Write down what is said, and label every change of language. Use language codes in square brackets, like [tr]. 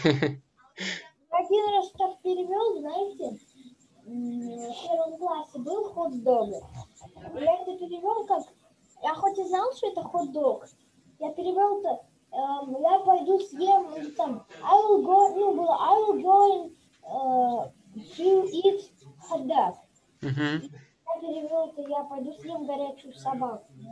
[ru] Один раз так перевел, знаете, в первом классе был хот-дог. Я это перевел как... Я хоть и знал, что это хот-дог, я перевел-то... я пойду съем, или там... [en] I will go... [ru] Ну, было... [en] I will go and to eat hot-dog. Uh-huh. [ru] Я перевел-то, я пойду съем горячую собаку.